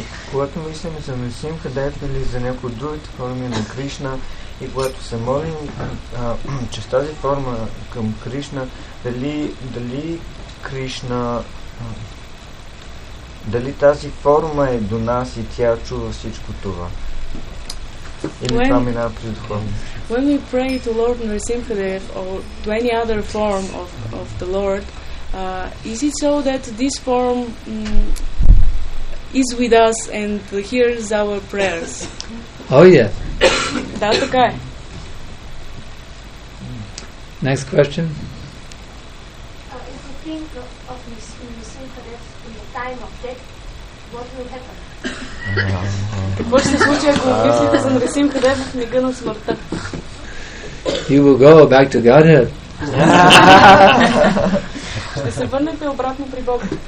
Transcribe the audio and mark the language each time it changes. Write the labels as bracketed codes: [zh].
[bg] Когато мислим за Нарисимхадев или за някой друг, форми на Кришна, и когато се молим чрез тази форма към Кришна, дали Кришна, дали тази форма е до нас и тя чува всичко това? Или това минава през духовно? [en] When we pray to Lord Nrisimhadev or to any other form of the Lord, is it so that this form is with us and hears our prayers? Oh yeah. That's okay. Next question. If you think of Nrisimhadev in the time of death, what will happen? [bg] Какво ще се случи, ако мислите за Нрисимхадев в мига на смъртта? [en] You will go back to Godhead. [bg] Ще се върнете обратно при Бога.